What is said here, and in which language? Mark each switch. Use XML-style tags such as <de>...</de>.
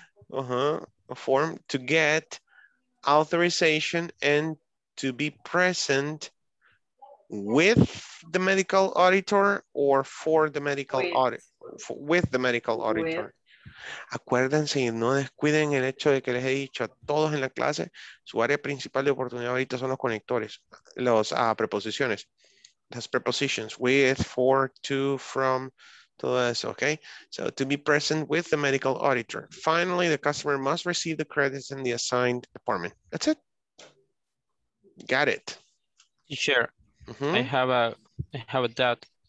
<en>A form to get authorization and to be present with the medical auditor or for the medical auditor. With the medical auditor. With.</en> <es>Acuérdense y no descuiden el hecho de que les he dicho a todos en la clase, su área principal de oportunidad ahorita son los conectores, los preposiciones.</es> <en>Las prepositions, with, for, to, from, okay, so to be present with the medical auditor. Finally, the customer must receive the credits in the assigned department. That's it. Got it. Sure. Mm-hmm. I have a doubt.</en>